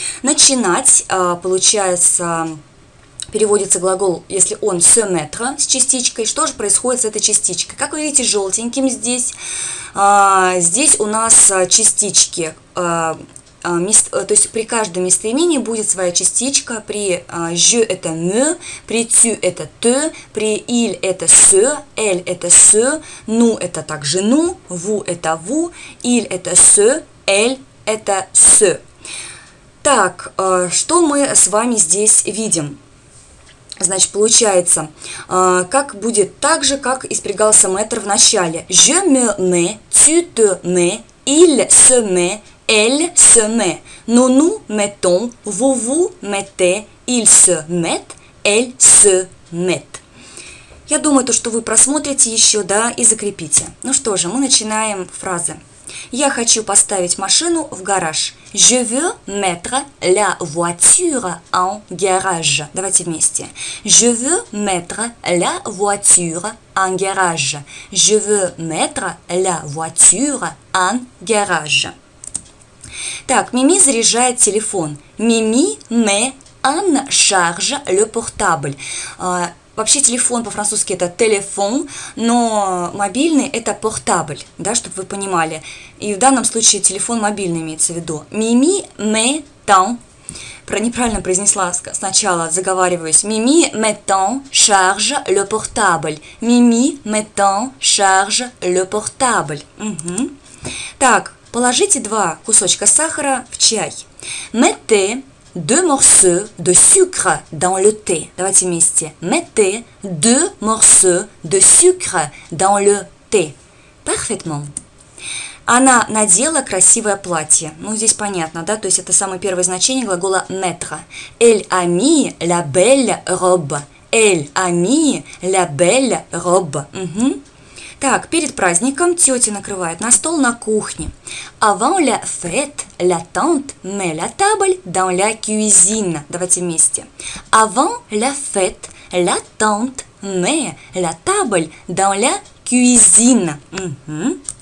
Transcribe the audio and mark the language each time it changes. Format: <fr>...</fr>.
<ru>Начинать, получается, переводится глагол, если он se mettre, с частичкой. Что же происходит с этой частичкой? Как вы видите, желтеньким здесь. Здесь у нас частички. То есть при каждом местоимении будет своя частичка. При je – это me, при tu – это te, при il – это se, elle – это se, nous – это также nous, vous – это vous, il – это se, elle – это se. Так, что мы с вами здесь видим? Значит, получается, как будет так же, как испрягался мэтр в начале.</ru> <fr>Je me mets, tu te mets, il se met, elle se met. Nous nous mettons, vous vous mettez, il se met, elle se met.</fr> <ru>Я думаю, то, что вы просмотрите еще, да, и закрепите. Ну что же, мы начинаем фразы. Я хочу поставить машину в гараж.</ru> <fr>Je veux mettre la voiture en garage.</fr> <ru>Давайте вместе.</ru> <fr>Je veux mettre la voiture en garage. Je veux mettre la voiture en garage.</fr> <ru>Так, Мими заряжает телефон.</ru> <fr>Mimi met en charge le portable.</fr> <ru>Вообще телефон по-французски это телефон, но мобильный это портабль, да, чтобы вы понимали. И в данном случае телефон мобильный имеется в виду.</ru> <fr>Mimi met en,</fr> <ru>неправильно произнесла сначала, заговариваюсь.</ru> <fr>Mimi met en charge le portable. Mimi met en charge le portable. Угу.</fr> <ru>Так, положите два кусочка сахара в чай.</ru> <fr>Mettez deux morceaux de sucre dans le thé.</fr> <ru>Давайте вместе.</ru> <fr>Mettez deux morceaux de sucre dans le thé. Parfaitement.</fr> <ru>Она надела красивое платье. Ну, здесь понятно, да? То есть это самое первое значение глагола mettre.</ru> <fr>Elle a mis la belle robe. Elle a mis la belle robe. Угу.</fr> <ru>Так, перед праздником тетя накрывает на стол на кухне.</ru> <fr>Avant la fête, la tante met la table dans la cuisine.</fr> <ru>Давайте вместе.</ru> <fr>Avant la fête, la tante met la table dans la cuisine. Угу.</fr>